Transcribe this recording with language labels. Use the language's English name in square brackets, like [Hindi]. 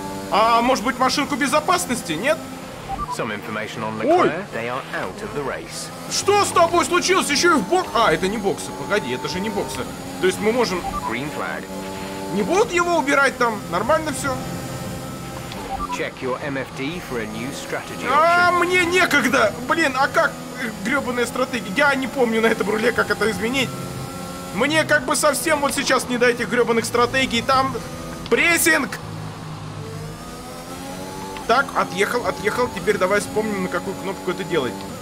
[Russian] А может быть машинку безопасности, нет? [English] Some information on Leclerc. They are out of the race. [Russian] Что с тобой случилось? Еще и в бок... А, это не боксы. Погоди, это же не боксы. То есть мы можем... [English] Green flag. [Russian] Не будут его убирать там? Нормально все? [English] Check your MFD for a new strategy. [Russian] А, мне некогда! Блин, а как гребаная стратегия? Я не помню на этом руле, как это изменить. Мне как бы совсем вот сейчас не до этих гребаных стратегий. Там прессинг! Так, отъехал, отъехал. Теперь давай вспомним, на какую кнопку это делать.